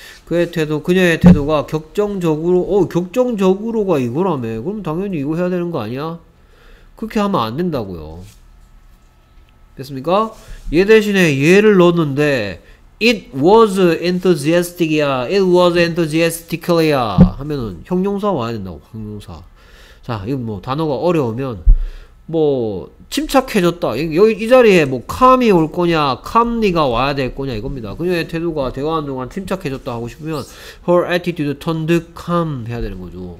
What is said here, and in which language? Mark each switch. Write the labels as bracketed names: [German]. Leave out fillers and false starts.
[Korean] 그의 태도, 그녀의 태도가 격정적으로, 격정적으로가 이거라며. 그럼 당연히 이거 해야 되는 거 아니야? 그렇게 하면 안 된다고요. 됐습니까? 얘 대신에 얘를 넣었는데, [English] it was enthusiastic [Korean] 이야. [English] It was enthusiastically야. [Korean] 하면은 형용사 와야 된다고, 형용사. 자, 이거 뭐 단어가 어려우면, 뭐, 침착해졌다. 여기 이 자리에 뭐 calm이 올 거냐, calmly가 와야 될 거냐 이겁니다. 그녀의 태도가 대화하는 동안 침착해졌다 하고 싶으면 [English] her attitude turned calm [Korean] 해야 되는 거죠.